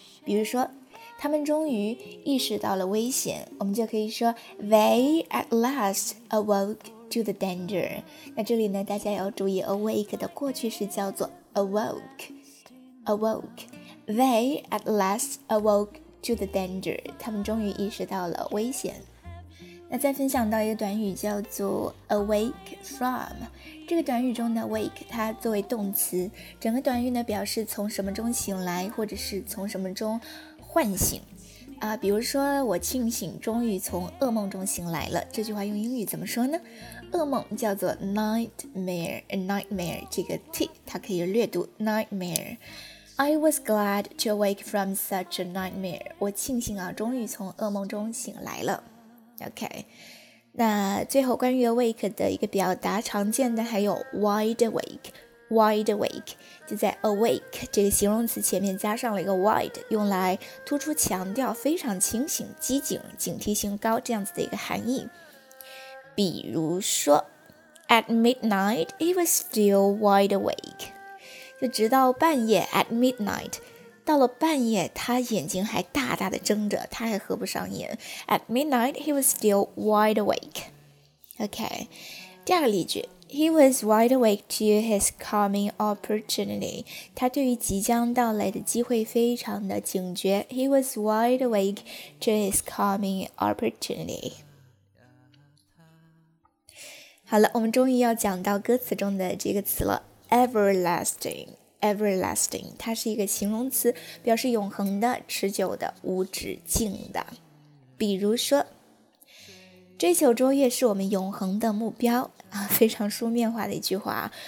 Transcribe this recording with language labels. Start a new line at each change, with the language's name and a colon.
Chinese: 比如说，他们终于意识到了危险，我们就可以说
English: They at last awoke to the danger.
Chinese: 那这里呢，大家要注意 awake 的过去式叫做 awoke.
English: Awoke. They at last awoke to the danger.
Chinese: 他们终于意识到了危险。那再分享到一个短语叫做 awake from， 这个短语中的 wake 它作为动词，整个短语呢表示从什么中醒来或者是从什么中唤醒啊。比如说我庆幸终于从噩梦中醒来了，这句话用英语怎么说呢？噩梦叫做 nightmare， 这个 t 它可以略读 nightmare。
English: I was glad to awake from such a nightmare.
Chinese: 我庆幸啊，终于从噩梦中醒来了。OK， 那最后关于 awake 的一个表达，常见的还有 wide awake。 Wide awake 就在 awake 这个形容词前面加上了一个 wide， 用来突出强调非常清醒、机警、警惕性高这样子的一个含义。比如说
English: ，at midnight he was still wide awake。
Chinese: 就直到半夜 at midnight， 到了半夜他眼睛还大大的睁着，他还合不上眼。
English: at midnight he was still wide awake。 OK，
Chinese: 第二个例句，
English: He was wide awake to his coming opportunity。
Chinese: 他对于即将到来的机会非常的警觉。
English: He was wide awake to his coming opportunity。
Chinese: 好了，我们终于要讲到歌词中的这个词了，Everlasting， 它是一个形容词，表示永恒的、持久的、无止境的。比如说，追求卓越是我们永恒的目标啊，非常书面化的一句话。